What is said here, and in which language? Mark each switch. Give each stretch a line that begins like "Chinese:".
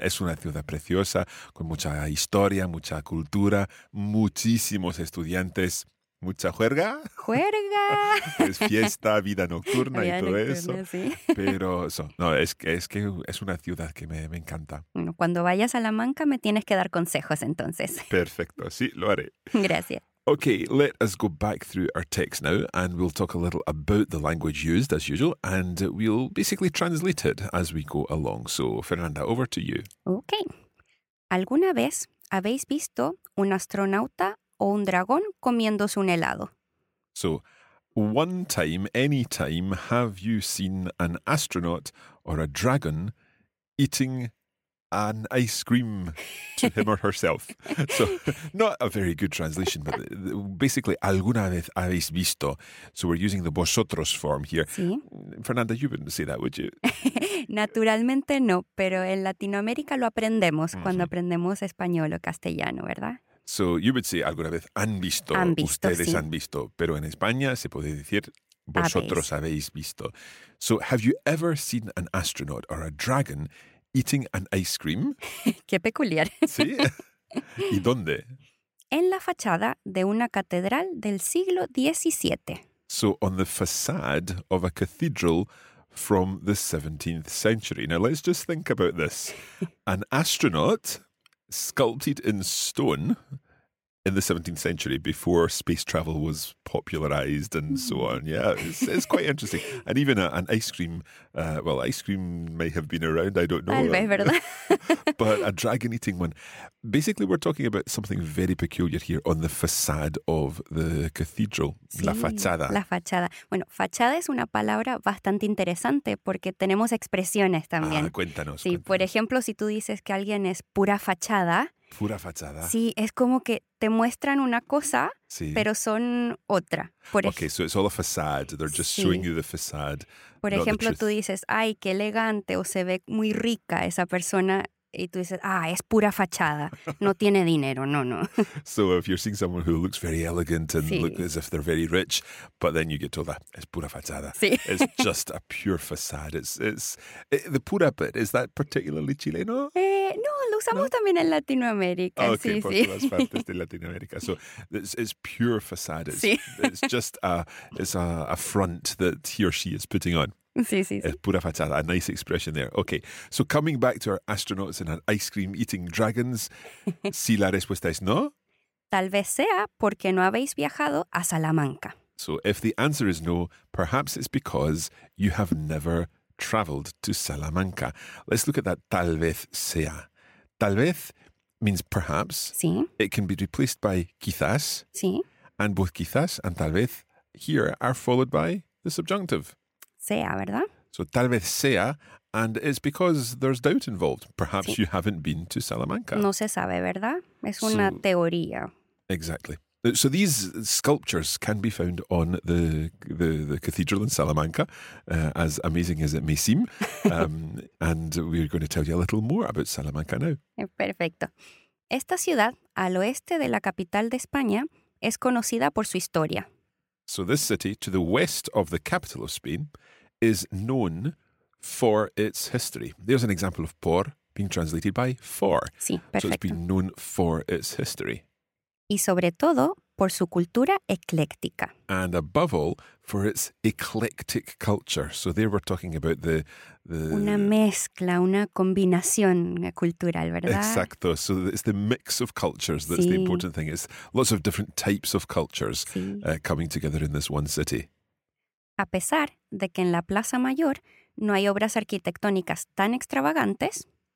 Spanish: Es una ciudad preciosa, con mucha historia, mucha cultura, muchísimos estudiantes. Mucha juerga. ¡Juerga! Es fiesta, vida nocturna vida y todo nocturna, eso. Sí. Pero eso, no, es que es una ciudad que me encanta. Bueno, cuando vayas a Salamanca me tienes que dar consejos entonces. Perfecto, sí, lo haré. Gracias.
English: Okay, let us go back through our text now and we'll talk a little about the language used as usual and we'll basically translate it as we go along. So, Fernanda, over to you. Okay.
Spanish: ¿Alguna vez habéis visto un astronauta o un dragón comiéndose un helado?
English: So, one time, any time, have you seen an astronaut or a dragon eating an ice cream to him or herself? So, not a very good translation, but basically,
Spanish: ¿alguna vez habéis visto?
English: So, we're using the vosotros form here.
Spanish: ¿Sí?
English: Fernanda, you wouldn't say that, would you?
Spanish: Naturalmente no, pero en Latinoamérica lo aprendemos mm-hmm. cuando aprendemos español o castellano, ¿verdad?
English: So you would say, alguna vez han visto ustedes
Spanish: sí. han visto, pero en España se puede decir, vosotros habéis visto.
English: So have you ever seen an astronaut or a dragon eating an ice cream?
Spanish: Qué peculiar. Sí. ¿Y dónde? En la fachada de una catedral del siglo XVII.
English: So on the facade of a cathedral from the 17th century. Now let's just think about this. An astronaut sculpted in stone in the 17th century before space travel was popularized and so on. Yeah, it's quite interesting. And even an ice cream, ice cream may have been around, I don't know. But a dragon eating one. Basically, we're talking about something very peculiar here on the facade of the cathedral.
Spanish: Sí, la fachada. La fachada. Bueno, fachada es una palabra bastante interesante porque tenemos expresiones también. Ah, cuéntanos. Sí, cuéntanos. Por ejemplo, si tú dices que alguien es pura fachada. Pura fachada. Sí, es como que te muestran una cosa, sí. pero son otra.
English: So it's all a facade. They're just
Spanish: sí.
English: showing you the facade.
Spanish: Por ejemplo, tú dices, ay, qué elegante, o se ve muy rica esa persona. Y tú dices, ah, es pura fachada. No tiene dinero, no.
English: So if you're seeing someone who looks very elegant and
Spanish: sí.
English: look as if they're very rich, but then you get told that
Spanish: es pura fachada. Sí.
English: It's just a pure facade. It's the pura bit, is that particularly Chileno?
Spanish: No, lo usamos también en Latinoamérica.
English: Okay,
Spanish: sí, por sí. todas partes de Latinoamérica.
English: So it's pure facade. It's,
Spanish: sí.
English: it's just a front that he or she is putting on.
Spanish: Sí, sí, sí.
English: Pura fachada, a nice expression there. Okay, so coming back to our astronauts and our ice cream eating dragons,
Spanish: si la respuesta es no. Tal vez sea porque no habéis viajado a Salamanca.
English: So if the answer is no, perhaps it's because you have never traveled to Salamanca. Let's look at that tal vez sea. Tal vez means perhaps.
Spanish: Sí.
English: It can be replaced by quizás.
Spanish: Sí.
English: And both quizás and tal vez here are followed by the subjunctive.
Spanish: Sea, ¿verdad?
English: So tal vez sea, and it's because there's doubt involved. Perhaps sí. you haven't been to Salamanca.
Spanish: No se sabe, ¿verdad? Es una teoría.
English: Exactly. So these sculptures can be found on the cathedral in Salamanca, as amazing as it may seem. and we're going to tell you a little more about Salamanca now.
Spanish: Perfecto. Esta ciudad, al oeste de la capital de España, es conocida por su historia.
English: So this city, to the west of the capital of Spain, is known for its history. There's an example of por being translated by for.
Spanish: Sí, perfecto.
English: So it's been known for its history.
Spanish: Y sobre todo, por su cultura ecléctica.
English: And above all, for its eclectic culture. So there we're talking about the
Spanish: una mezcla, una combinación cultural, ¿verdad? Exacto.
English: So it's the mix of cultures that's sí. The important thing. It's lots of different types of cultures coming together in this one city.
Spanish: A pesar de que en la Plaza Mayor no hay obras arquitectónicas tan extravagantes.